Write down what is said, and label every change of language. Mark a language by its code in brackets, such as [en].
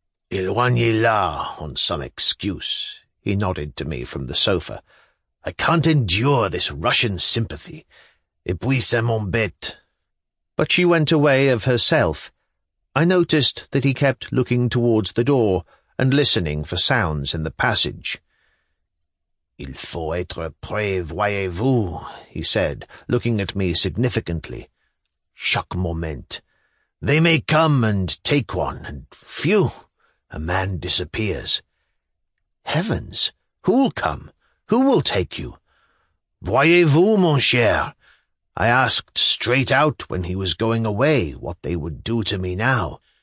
[fr] Éloignez-la [en] on some excuse, he nodded to me from the sofa. I can't endure this Russian sympathy. [fr] Et puis ça m'embête. [en] But she went away of herself. I noticed that he kept looking towards the door and listening for sounds in the passage. [fr] Il faut être prêt, voyez-vous, [en] he said, looking at me significantly. [fr] Chaque moment. [en] They may come and take one, and phew, a man disappears. Heavens, who'll come? Who will take you? [fr] Voyez-vous, mon cher? [en] I asked straight out when he was going away what they would do to me now.